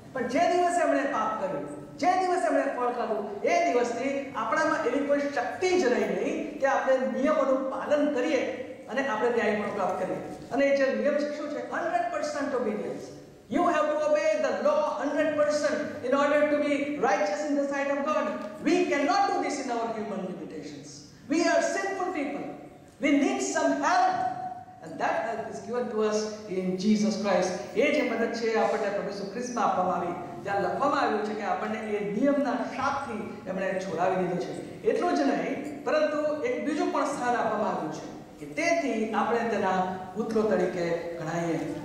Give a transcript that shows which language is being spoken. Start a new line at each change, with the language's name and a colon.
Gujarati: પણ જે દિવસે અમને પાપ કર્યું, જે દિવસે અમે ફળ ખાધું, એ દિવસથી આપણામાં એવી કોઈ શક્તિ જ રહી નહીં કે આપણે નિયમોનું પાલન કરીએ અને આપણે ન્યાય પણ પ્રાપ્ત કરીએ. અને જે નિયમ શીખ્યું છે
English: 100% obedience, you have to obey the law 100% in order to be righteous in the sight of God. We can not do this in our human limitations. We are simple people, we need some help. And that help is given to us in Jesus Christ.
Gujarati: એ જે મદદ છે આપણને પ્રભુ સુ ખ્રિસ્તમાં આપવામાં આવી, ત્યાં લખવામાં આવ્યું છે કે આપણને એ નિયમના શાપથી એમણે છોડાવી દીધો છે. એટલું જ નહીં, પરંતુ એક બીજું પણ સ્થાન આપવામાં આવ્યું છે કે તેથી આપણે તેના પુત્રો તરીકે ગણાઈએ.